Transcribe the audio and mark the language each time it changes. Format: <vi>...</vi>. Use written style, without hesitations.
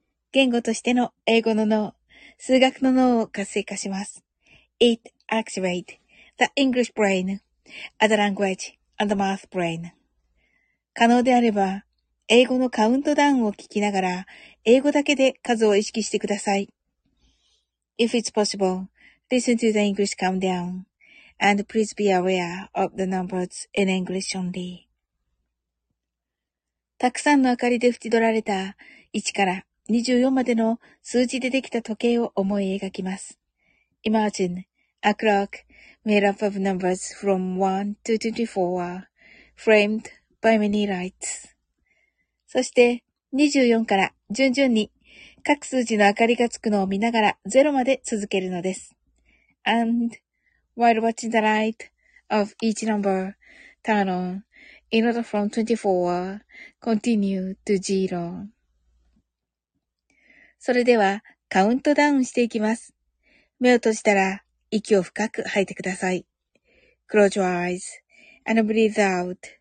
<ja>言語としての英語の脳、数学の脳を活性化します。</ja> <en>It activates the English brain, other language and the math brain.</en> <ja>可能であれば、英語のカウントダウンを聞きながら、英語だけで数を意識してください。</ja> <en>If it's possible, listen to the English countdown, and please be aware of the numbers in English only.</en> <ja>たくさんの明かりで縁取られた1から24までの数字でできた時計を思い描きます。</ja> <en>Imagine a clock made up of numbers from 1 to 24 framed. By many lights.</en> <ja>そして24から順々に各数字の明かりがつくのを見ながら0まで続けるのです。</ja> <en>And while watching the light of each number turn on in order from 24 continue to 0.</en> <ja>それではカウントダウンしていきます。目を閉じたら息を深く吐いてください。</ja> <en>Close your eyes and breathe out.</en>